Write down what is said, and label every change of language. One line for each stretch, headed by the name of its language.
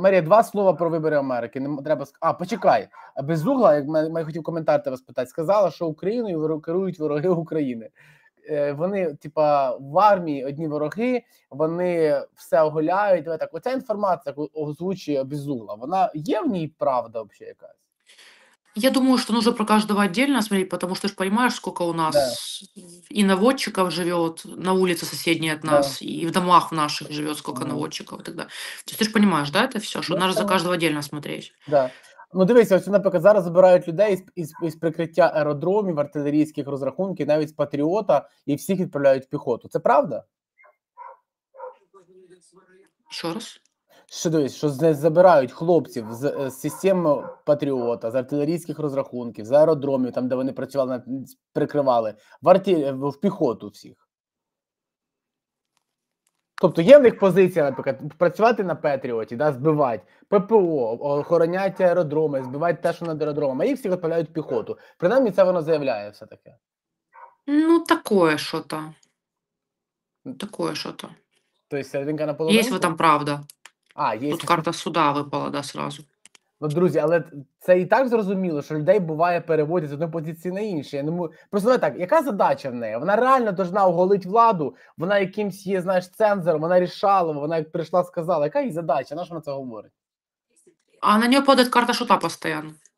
Ukrainian: Марія, два слова про вибори Америки. Не треба... А, почекай, без угла, як я хотів коментар тебе спитати, сказала, що Україною керують вороги України. Вони, типа, в армії одні вороги, вони все оголяють. Давай так, оця інформація озвучує без угла, вона є в ній правда взагалі якась?
Russian: Я думаю, что нужно про каждого отдельно смотреть, потому что ты же понимаешь, сколько у нас, да. и наводчиков живет на улице соседней от Да. нас, и в домах в наших живет сколько Да. наводчиков и так далее. То есть ты же понимаешь, да, это все, что Ну, надо за там... каждого отдельно смотреть. Да.
Ukrainian: Ну, дивися, ось вони поки зараз забирають людей із прикриття аеродромів, артилерійських розрахунків, навіть з Патріота, і всіх відправляють в піхоту. Це правда? Ще раз. Що дивись, що забирають хлопців з системи Патріота, з артилерійських розрахунків, з аеродромів, там, де вони працювали, прикривали, в піхоту всіх. Тобто є в них позиція, наприклад, працювати на Патріоті, да, збивати ППО, охороняти аеродроми, збивати те, що над аеродромами, а їх всіх відправляють в піхоту. Принаймні це воно заявляє все-таки. Ну, таке що-то. Таке що-то. Тобто серединка на половинку? Є в цьому правда. А, є. Тут карта суда випала, да, сразу. Ну, друзі, але це і так зрозуміло, що людей буває переводять з одної позиції на іншу. Просто не так, яка задача в неї? Вона реально повинна оголити владу, вона якимсь є, знаєш, цензором, вона рішала, вона як прийшла, сказала. Яка її задача? На що вона це говорить? А на нього падає карта шута постійно.